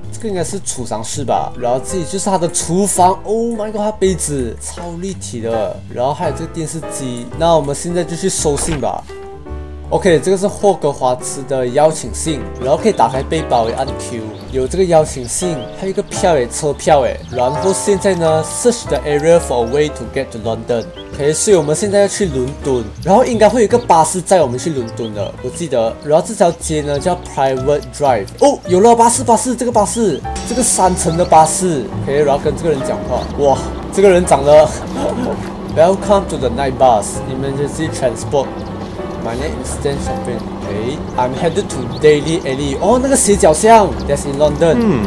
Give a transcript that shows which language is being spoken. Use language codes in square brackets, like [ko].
[zh] 这个应该是储藏室吧，然后这里就是他的厨房。 [en] Oh my god， [zh] 他杯子超立体的，然后还有这个电视机。那我们现在就去收信吧。OK， 这个是霍格华兹的邀请信，然后可以打开背包，也按 Q， 有这个邀请信，还有一个票耶，车票耶。然后现在呢 [en] search the area for a way to get to London。 [zh] OK， 所以我们现在要去伦敦，然后应该会有一个巴士载我们去伦敦的，我记得。然后这条街呢叫 Private Drive。哦，有了，巴士，这个巴士，这个三层的巴士。 OK， 然后跟这个人讲话。哇，这个人长得 [en] Welcome to the night bus, emergency transport. My name is Stan Champion. Okay, I'm headed to Daily Alley. Oh, [zh] 那个斜角巷 [en] that's in London.